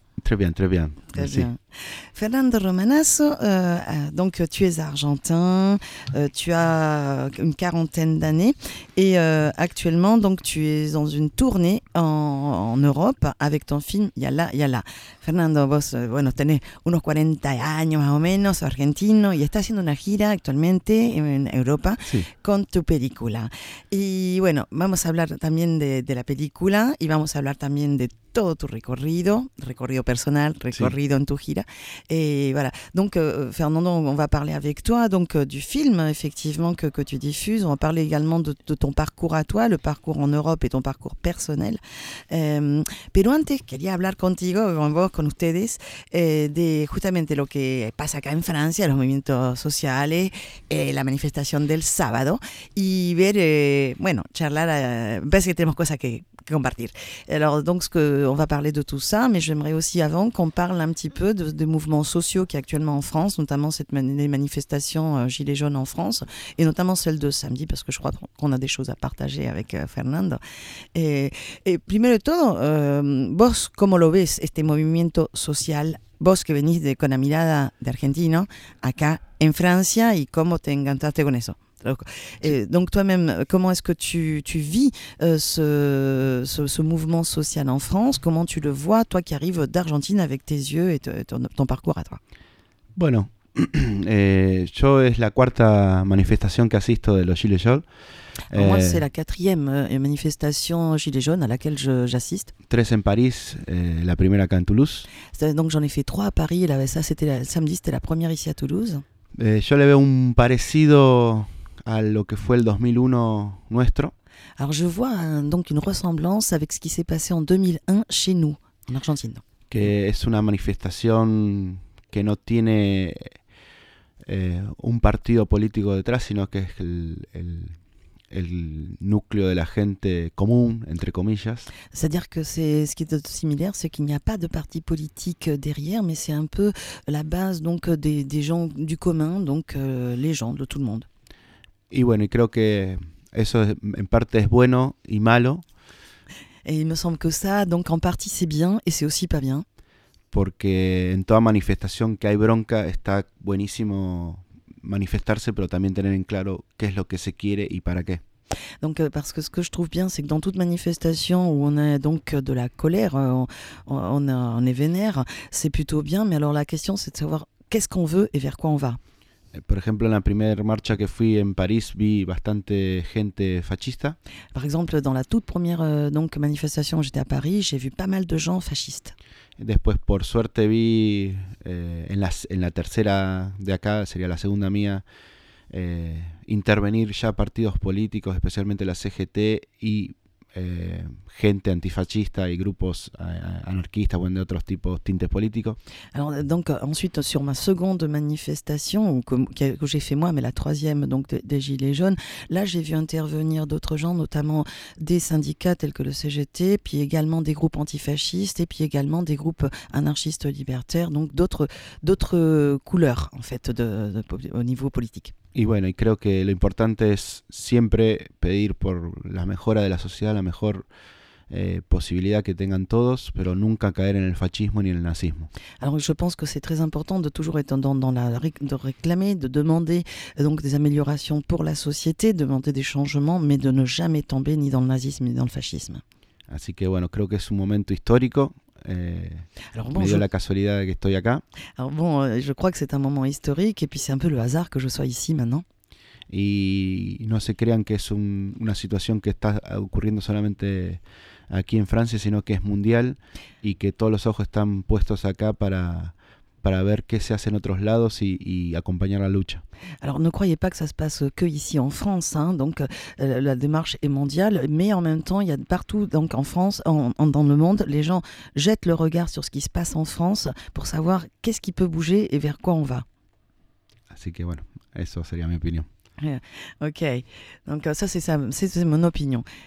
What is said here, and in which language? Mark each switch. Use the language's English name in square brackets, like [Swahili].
[French] Très bien, très bien. Très merci. Bien. Fernando Romanazzo, donc tu es argentin, tu as une quarantaine d'années et actuellement donc tu es dans une tournée en Europe avec ton film Yala Yala. [Spanish] Fernando, vos bueno tenés unos 40 años más o menos, argentino y estás haciendo una gira actualmente en Europa con tu película. Y bueno, vamos a hablar también de la película y vamos a hablar también de todo tu recorrido personal, recorrido en tu gira. [French] Et voilà, donc Fernando, on va parler avec toi donc, du film effectivement que tu diffuses. On va parler également de ton parcours à toi, le parcours en Europe et ton parcours personnel. [Spanish] Pero antes, quería hablar contigo, con vos, con ustedes, de justamente lo que pasa acá en Francia, los movimientos sociales, la manifestación del sábado, y ver, bueno, charlar, [French] parce que [Spanish] tenemos cosas que compartir. [French] Alors, donc, on va parler de tout ça, mais j'aimerais aussi avant qu'on parle un petit peu de mouvements sociaux qui actuellement en France, notamment cette manifestation Gilets jaunes en France, et notamment celle de samedi, parce que je crois qu'on a des choses à partager avec Fernando. Et [Spanish] primero de todo, vos, ¿cómo lo ves este movimiento social? Vos que venís de con la mirada de argentino, acá en Francia, y cómo te encontraste con eso? [French] Donc toi-même, comment est-ce que tu vis ce mouvement social en France? Comment tu le vois, toi qui arrives d'Argentine avec tes yeux et ton parcours à toi? [Spanish] Bueno, yo es la cuarta manifestación que asisto de los Gilets jaunes. [French] Moi, c'est la quatrième manifestation Gilets jaunes à laquelle j'assiste. [Spanish] Tres en París, la primera acá en Toulouse. [French] C'est-à-dire, donc j'en ai fait trois à Paris, et là, ça c'était samedi, c'était la première ici à Toulouse. [Spanish] Yo le veo un parecido à lo que fue el 2001 nuestro. [French] Alors je vois donc une ressemblance avec ce qui s'est passé en 2001 chez nous, en Argentine. [Spanish] Que es una manifestación que no tiene un partido político detrás, sino que es el núcleo de la gente común, entre comillas. [French] C'est-à-dire que ce qui est similaire, c'est qu'il n'y a pas de parti politique derrière, mais c'est un peu la base donc des gens du commun, donc les gens de tout le monde. [Spanish] Y bueno, y creo que eso en parte es bueno y malo. [French] Et il me semble que ça, donc en partie c'est bien et c'est aussi pas bien. [Spanish] Porque en toda manifestación que hay bronca está buenísimo manifestarse, pero también tener en claro qué es lo que se quiere y para qué. [French] Donc parce que ce que je trouve bien, c'est que dans toute manifestation où on a donc de la colère, on est vénère, c'est plutôt bien. Mais alors la question, c'est de savoir qu'est-ce qu'on veut et vers quoi on va. [Spanish] Por ejemplo, en la primera marcha que fui en París, vi bastante gente fascista. [French] Par exemple, dans la toute première donc manifestation, j'étais à Paris, j'ai vu pas mal de gens fascistes. [Spanish] Después, por suerte, vi en la tercera de acá, sería la segunda mía, intervenir ya partidos políticos, especialmente la CGT y gente antifascista y grupos anarquistas, bueno, de otros tipos, tintes políticos. [French] Alors, donc, ensuite, sur ma seconde manifestation, que j'ai fait moi, mais la troisième, donc des Gilets jaunes, là, j'ai vu intervenir d'autres gens, notamment des syndicats tels que le CGT, puis également des groupes antifascistes, et puis également des groupes anarchistes libertaires, donc d'autres couleurs, en fait, au niveau politique. [Spanish] Y bueno, y creo que lo importante es siempre pedir por la mejora de la sociedad, la mejor posibilidad que tengan todos, pero nunca caer en el fascismo ni en el nazismo. [French] Alors, je pense que c'est très important de toujours être dans la de réclamer, de demander donc des améliorations pour la société, demander des changements, mais de ne jamais tomber ni dans le nazisme ni dans le fascisme. [Spanish] Así que bueno, creo que es un momento histórico. [French] Alors bon, [Spanish] la casualidad de que estoy acá. [French] Alors bon, je crois que c'est un moment historique et puis c'est un peu le hasard que je sois ici maintenant. [Spanish] Y no se crean que es una situación que está ocurriendo solamente aquí en Francia, sino que es mundial y que todos los ojos están puestos acá para ver qué se hace en otros lados y acompañar la lucha. [French] Alors ne croyez pas que ça se passe que ici en France, hein, donc la démarche est mondiale, mais en même temps il y a partout donc en France, dans le monde, les gens jettent le regard sur ce qui se passe en France pour savoir qu'est-ce qui peut bouger et vers quoi on va. [Spanish] Así que bueno, eso sería mi opinión. [French] Ok, donc ça c'est mon opinion.